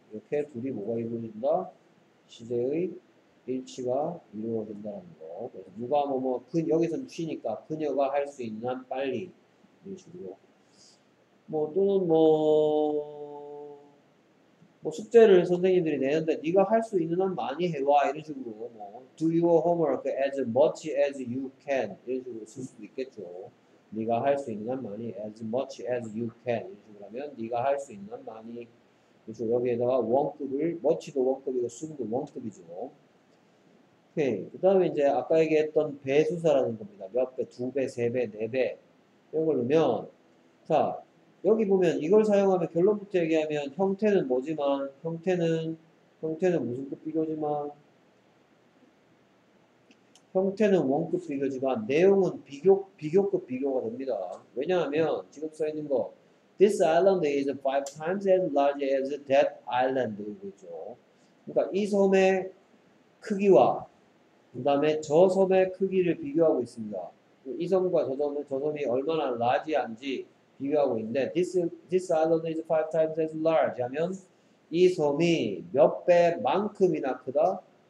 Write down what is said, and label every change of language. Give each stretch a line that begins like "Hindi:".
Korean: 이렇게 둘이 뭐가 이루어진다? 시제의 일치가 이루어진다는 거. 그래서 누가 뭐, 그, 여기서는 쉬니까 그녀가 할 수 있는 한 빨리. 이런 식으로. 뭐, 또는 뭐, 숙제를 선생님들이 내는데, 네가 할 수 있는 한 많이 해와. 이런 식으로.
English: 뭐, do your homework as much as you can.
Korean: 이런 식으로 쓸 수도 있겠죠. 네가 할 수 있는 한 많이
English: as much as you can.
Korean: 이런 식으로 하면, 네가 할 수 있는 한 많이 그래서 여기에다가 원급을, 머치도 원급이고 순도 원급이죠. 오케이. 그 다음에 이제 아까 얘기했던 배수사라는 겁니다. 몇 배, 두 배, 세 배, 네 배. 이런 걸 넣으면, 자, 여기 보면 이걸 사용하면 결론부터 얘기하면 형태는 뭐지만, 형태는 무슨 급 비교지만, 형태는 원급 비교지만, 내용은 비교급 비교가 됩니다. 왜냐하면 지금 써있는 거,
English: This island is five times as large as that island.
Korean: 그렇죠? 그러니까 이 섬의 크기와 그 다음에 저 섬의 크기를 비교하고 있습니다. 이 섬과 저 섬이 얼마나 large한지 비교하고 있는데
English: this island is five times as large
Korean: 하면 이 섬이 몇 배만큼이나 크다?